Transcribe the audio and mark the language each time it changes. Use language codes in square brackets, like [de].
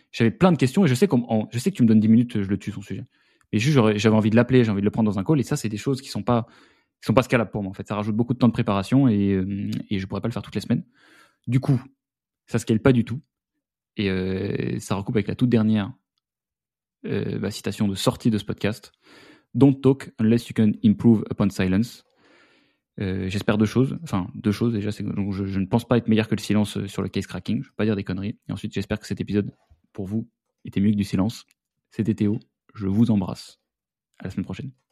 [fr] J'avais plein de questions et je sais que tu me donnes 10 minutes, je le tue son sujet. Mais juste, j'avais envie de l'appeler, j'ai envie de le prendre dans un call. Et ça, c'est des choses qui sont pas scalables pour moi. En fait, ça rajoute beaucoup de temps de préparation et je pourrais pas le faire toutes les semaines. Du coup. Ça ne scale pas du tout. Et ça recoupe avec la toute dernière citation de sortie de ce podcast. [en] Don't talk unless you can improve upon silence. [fr] J'espère deux choses. Enfin, deux choses déjà. Je ne pense pas être meilleur que le silence sur le case cracking. Je ne veux pas dire des conneries. Et ensuite, j'espère que cet épisode, pour vous, était mieux que du silence. C'était Théo. Je vous embrasse. À la semaine prochaine.